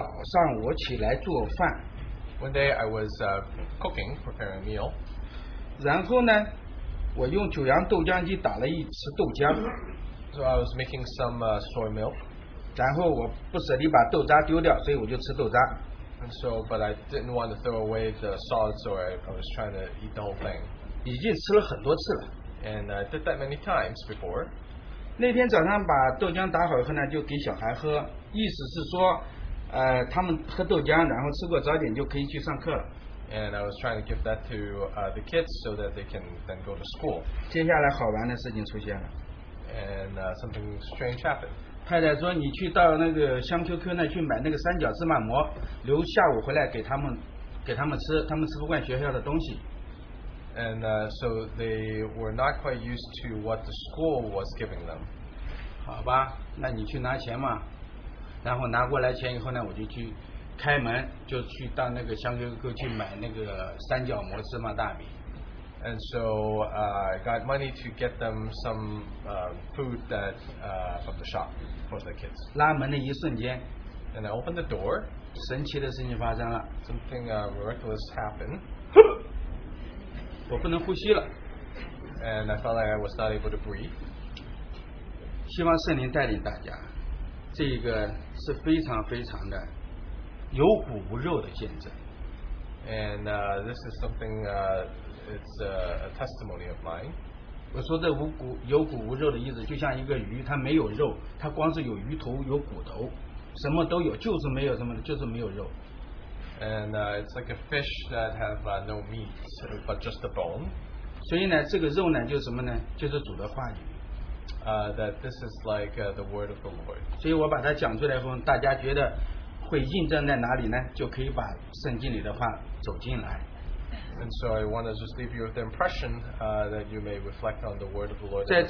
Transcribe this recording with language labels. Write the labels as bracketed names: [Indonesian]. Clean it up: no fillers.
[Chinese] 这是有一天早上我起来做饭。 [English] One day I was cooking, preparing a meal. [Chinese] 然后呢, 我用九阳豆浆机打了一匙豆浆。 [English] So I was making some soy milk. [Chinese] 然后我不舍得把豆渣丢掉, 所以我就吃豆渣。 [English] And so, but I didn't want to throw away the salt, so I was trying to eat the whole thing. [Chinese] 已经吃了很多次了。 [English] And I did that many times before. [Chinese] 那天早上把豆浆打好以后呢, 就给小孩喝, 意思是说, 他们喝豆浆, 然后吃过早点就可以去上课了。 [English] And I was trying to give that to the kids so that they can then go to school. [Chinese] 接下来好玩的事情出现了。 [English] and something strange happened. [Chinese] 太太说你去到那个香丘科那去买那个三角芝麻馍留下午回来给他们吃他们吃不惯学校的东西。 [English] And so they were not quite used to what the school was giving them. [Chinese] 好吧，那你去拿钱嘛。然后拿过来钱以后呢，我就去开门，就去到那个香丘科去买那个三角芝麻大饼。 [English] And so I got money to get them some food that from the shop for the kids. [Chinese] 拉门的一瞬间, [English] and I opened the door. [Chinese] 神奇的事情发生了, [English] something miraculous happened. [Chinese] 我不能呼吸了, [English] and I felt like I was not able to breathe. [Chinese] 希望圣灵带领大家, 这个是非常非常的有骨无肉的见证。 [English] And this is something it's a testimony of mine. [Chinese] 我说的无骨有骨无肉的意思，就像一个鱼，它没有肉，它光是有鱼头有骨头，什么都有，就是没有什么，就是没有肉。 [English] And it's like a fish that have no meat but just the bone. [Chinese] 所以呢，这个肉呢，就是什么呢？就是主的话语。 [English] That this is like the word of the Lord. [Chinese] 所以我把它讲出来后，大家觉得会印证在哪里呢？就可以把圣经里的话走进来。 [English] And so I want to just leave you with the impression that you may reflect on the word of the Lord.